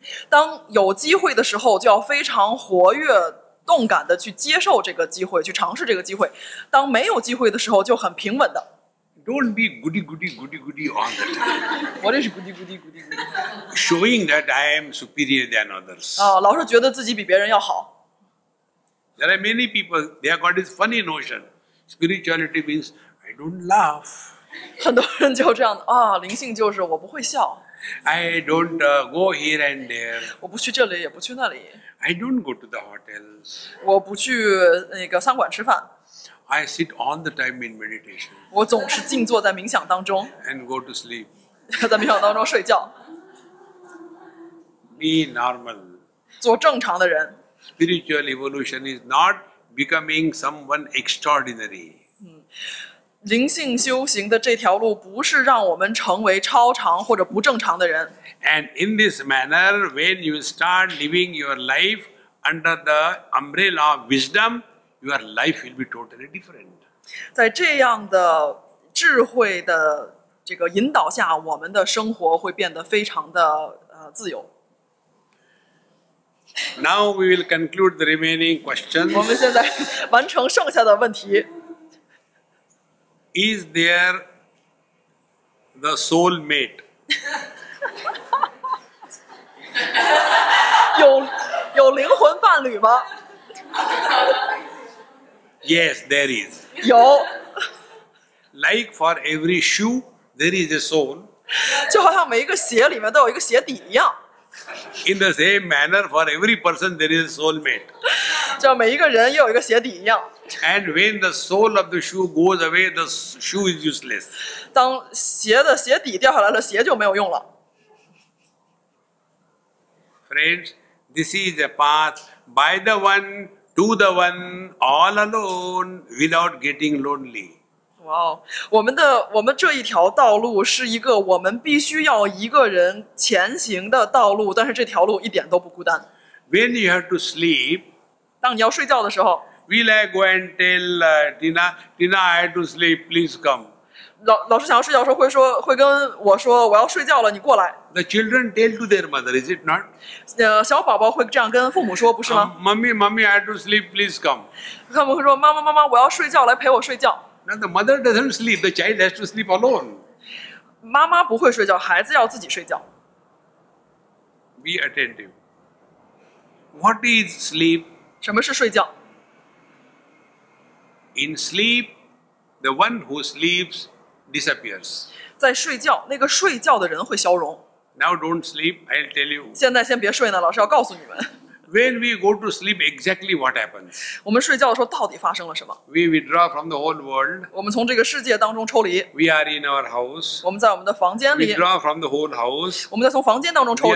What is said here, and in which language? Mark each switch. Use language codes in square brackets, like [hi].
[zh] 当有机会的时候，就要非常活跃、动感的去接受这个机会，去尝试这个机会。当没有机会的时候，就很平稳的。 [en] Don't be goody goody goody goody on the time. What is goody goody goody goody? Showing that I am superior than others. [zh] 老是觉得自己比别人要好。 [en] There are many people, they have got this funny notion. Spirituality means I don't laugh. [zh] 很多人就这样的啊，灵性就是我不会笑。 [en] I don't go here and there. [zh] 我不去这里，也不去那里。 [en] I don't go to the hotels. [zh] 我不去那个餐馆吃饭。 [en] I sit all the time in meditation. [zh] 我总是静坐在冥想当中。 [en] And go to sleep. [zh] 在冥想当中睡觉。 [en] Be normal. [zh] 做正常的人。 [en] Spiritual evolution is not becoming someone extraordinary. [zh] 灵性修行的这条路不是让我们成为超常或者不正常的人。 [en] And in this manner, when you start living your life under the umbrella of wisdom, your life will be totally different. [zh] 在这样的智慧的这个引导下，我们的生活会变得非常的自由。 [en] Now we will conclude the remaining questions. [zh] 我们现在完成剩下的问题。 [en] Is there the soul mate? [zh] 有灵魂伴侣吗？ [en] Yes, there is. [zh] 有。 [en] Like for every shoe, there is a soul. [zh] 就好像每一个鞋里面都有一个鞋底一样。 [en] In the same manner, for every person, there is a soul mate. [zh] 就每一个人也有一个鞋底一样。 [en] And when the sole of the shoe goes away, the shoe is useless. [zh] 当鞋底掉下来了，鞋就没有用了。 [en] Friends, this is a path by the one, to the one, all alone, without getting lonely. [zh] Wow, 我们这一条道路是一个我们必须要一个人前行的道路，但是这条路一点都不孤单。 [en] When you have to sleep, [zh] 当你要睡觉的时候。 [en] Will I go and tell Tina? Tina, I have to sleep. Please come. [zh] 老师想要睡觉的时候会跟我说我要睡觉了，你过来。 [en] The children tell to their mother, is it not? [zh] 小宝宝会这样跟父母说，不是吗 [en] ？Mummy, mummy, I have to sleep. Please come. [zh] 他们会说妈妈妈妈，我要睡觉，来陪我睡觉。 [en] Now the mother doesn't sleep. The child has to sleep alone. [zh] 妈妈不会睡觉，孩子要自己睡觉。 [en] Be attentive. What is sleep? [zh] 什么是睡觉？ [en] In sleep, the one who sleeps disappears. [zh] 在睡觉，那个睡觉的人会消融。 [en] Now don't sleep, I'll tell you. [zh] 现在先别睡呢，老师要告诉你们。 [en] When we go to sleep, exactly what happens? [zh] 我们睡觉的时候到底发生了什么？ [en] We withdraw from the whole world. [zh] 我们从这个世界当中抽离。 [en] We are in our house. [zh] 我们在我们的房间里。 [en] Withdraw from the whole house. [zh] 我们在从房间当中抽离。